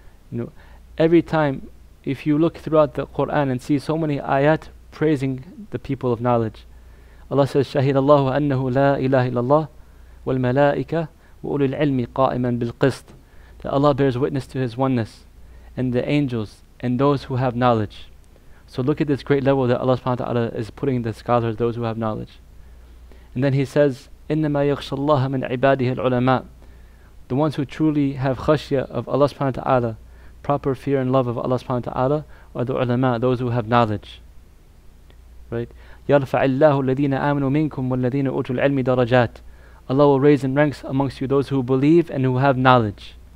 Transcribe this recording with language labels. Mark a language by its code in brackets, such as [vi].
[en] You know, every time, if you look throughout the Quran and see so many ayat praising the people of knowledge, Allah says, [ar] شَهِدَ اللَّهُ أَنَّهُ لَا إِلَهِ إِلَّا اللَّهُ وَالْمَلَائِكَ وَأُولِي الْعِلْمِ قَائِمًا بِالْقِسْطِ. [en] That Allah bears witness to His oneness, and the angels, and those who have knowledge. So look at this great level that Allah subhanahu wa ta'ala is putting the scholars, those who have knowledge. And then He says, [ar] إِنَّمَا يَخْشَ اللَّهَ مِنْ عِبَادِهِ الْعُلَمَاءِ. [en] The ones who truly have khashya of Allah subhanahu wa ta'ala, proper fear and love of Allah subhanahu wa ta'ala, are the ulama, those who have knowledge. [ar] Right? يَرْفَعِ اللَّهُ الَّذِينَ آمَنُوا مِنْكُمْ وَالَّذِينَ أُوتُوا الْعِلْمِ دَرَجَاتٍ. [en] Allah will raise in ranks amongst you those who believe and who have knowledge.